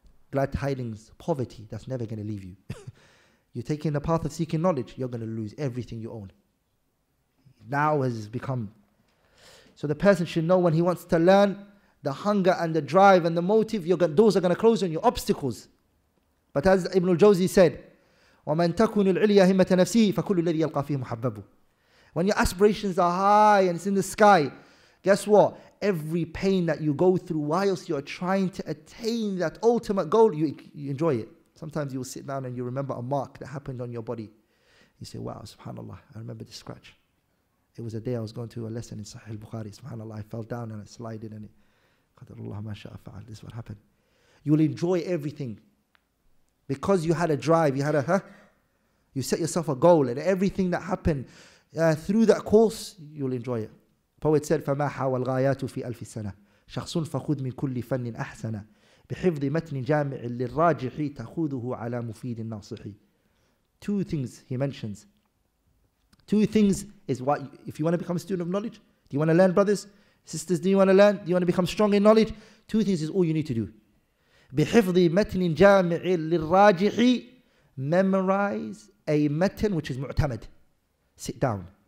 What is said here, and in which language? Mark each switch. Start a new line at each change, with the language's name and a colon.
English: Glad tidings, poverty, that's never going to leave you. You're taking the path of seeking knowledge, you're going to lose everything you own. Now has become. So the person should know when he wants to learn, the hunger and the drive and the motive, those are going to close on you, obstacles.
Arabic: But as Ibn al-Jawzi said, وَمَنْ تَكُنُ الْعِلْيَ هِمَّةَ نَفْسِهِ فَكُلُّ الَّذِي يَلْقَى فِيهِ مُحَبَّبُ.
English: When your aspirations are high and it's in the sky, guess what? Every pain that you go through whilst you're trying to attain that ultimate goal, you enjoy it. Sometimes you will sit down and you remember a mark that happened on your body. You say, wow, subhanAllah, I remember the scratch. It was a day I was going to a lesson in Sahih al-Bukhari. SubhanAllah, I fell down and I slided and it.
Arabic: Qadarullah ma sha'a fa'al.
English: This is what happened. You will enjoy everything. Because you had a drive, you had a, you set yourself a goal and everything that happened, through that course, you'll enjoy it.
Arabic: Poet said, فَمَا حَوَى الْغَايَاتُ فِي أَلْفِ سَنَةِ شَخْصٌ فَخُذْ مِنْ كُلِّ فَنٍ أَحْسَنَ بِحِفْظِ مَتْنٍ جَامِعٍ لِلْرَاجِحِ تَخُذُهُ عَلَى مُفِيدٍ نَاصِحِ.
English: Two things he mentions. Two things is what, if you want to become a student of knowledge, do you want to learn, brothers? Sisters, do you want to learn? Do you want to become strong in knowledge? Two things is all you need to do.
Arabic: بِحِفْظِ مَتْنٍ جَامِعٍ لِلْرَاجِحِ.
English: Memorize a matn which is mu'tamad. Sit down.